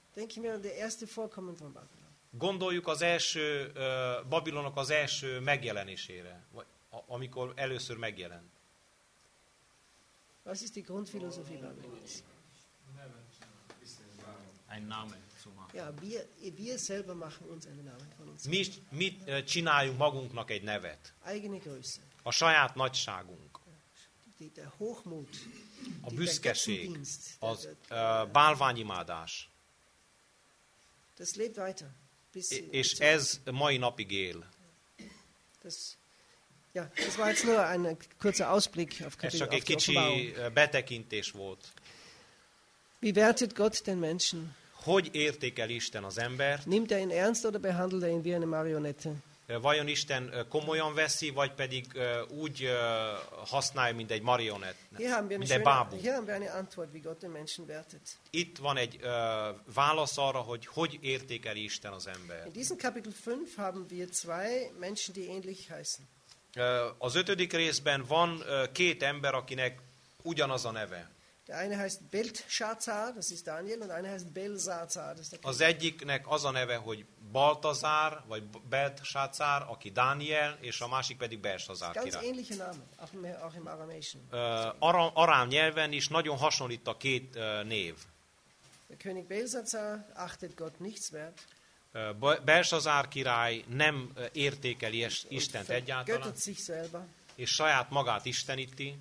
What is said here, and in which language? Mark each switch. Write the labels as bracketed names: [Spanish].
[German] Denk mir an die erste Vorkommen von Babylon. [Hungarian] Gondoljuk az első Babylonnak az első megjelenésére, amikor először megjelent. [German] Was ist die Grundphilosophie Babylons? Ein Name zu machen. Ja, wir selber machen uns einen Namen von uns. [Hungarian] Mi csináljunk magunknak egy nevet. [German] Eigene Größe. [Hungarian] A saját nagyságunk. [German] Der Hochmut. [Hungarian] A büszkeség. Az bálványimádás. [German] Das lebt weiter. [Hungarian] És ez mai napig él. [German] Ja, das war jetzt nur ein kurzer Ausblick auf Kapitel. [Hungarian] Ez csak egy kicsi betekintés volt. [German] Wie wertet Gott den Menschen? [Hungarian] Hogy értékel Isten az embert? [German] Nimmt ihn ernst oder behandelt ihn wie eine Marionette? [Hungarian] Vajon Isten komolyan veszi, vagy pedig úgy használja, mint egy marionett, mint egy bábú? [German] Hier haben wir eine Antwort, wie Gott den Menschen wertet. [Hungarian] Itt van egy válasz arra, hogy értékel Isten az embert. [German] In diesem Kapitel 5 haben wir zwei Menschen, die ähnlich heißen. [Hungarian] Az ötödik részben van két ember, akinek ugyanaz a neve. [German] Der eine heißt Belshazzar, das ist Daniel, und einer heißt Belsazar, das ist der [Hungarian] König. Az egyiknek az a neve, hogy Baltazar, vagy Belshazzar, aki Daniel, és a másik pedig Belshazzar király. [German] Ganz ähnliche Name, auch im Aramäischen. [Hungarian] Arám nyelven is nagyon hasonlít a két név. [German] Der König Belsazar achtet Gott nichts wert. [Hungarian] Belshazzar király nem értékeli Istent egyáltalán, és saját magát isteníti.